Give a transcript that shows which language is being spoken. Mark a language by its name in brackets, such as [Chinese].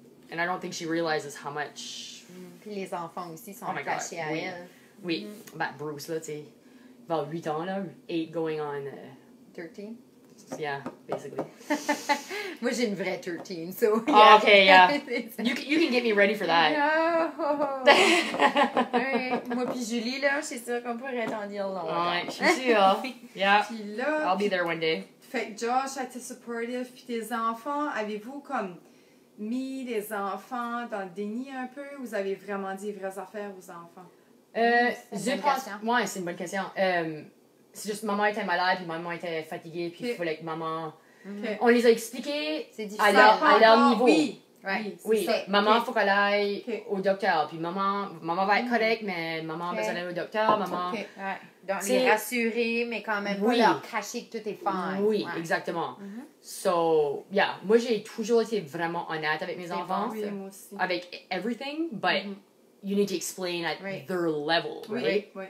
[English] And I don't think she realizes how much. [French] Puis les enfants aussi sont attachés à elle. Oui. Bah, Bruce, là, tu sais. About 8 ans, là, [English] 8 going on... 13? Yeah, basically. [French] Moi, j'ai une vraie 13, so... [English] Yeah. Oh, okay, yeah. you can get me ready for that. No! [French] Ouais. Moi puis Julie, là, je suis sûre qu'on pourrait t'en dire longtemps. Ouais, je suis sûre. Yeah, puis là, [English] I'll be there one day. [French] Fait que Josh a été supportive, puis tes enfants, avez-vous comme mis les enfants dans le déni un peu? Vous avez vraiment dit les vraies affaires aux enfants? C'est une bonne question. C'est juste maman était malade, puis maman était fatiguée, puis il fallait que maman... Okay. On les a expliqués à leur niveau. Oui, ça. Maman, faut qu'elle aille au docteur. Puis maman va être correcte, mais maman va s'en aller au docteur. Maman... Okay. Ouais. Donc, les rassurer, mais quand même pas leur cacher que tout est fine. Oui, exactement. [English] So, yeah, [French] moi j'ai toujours été vraiment honnête avec mes enfants. Bon, oui, avec [English] everything, but... You need to explain at their level, right?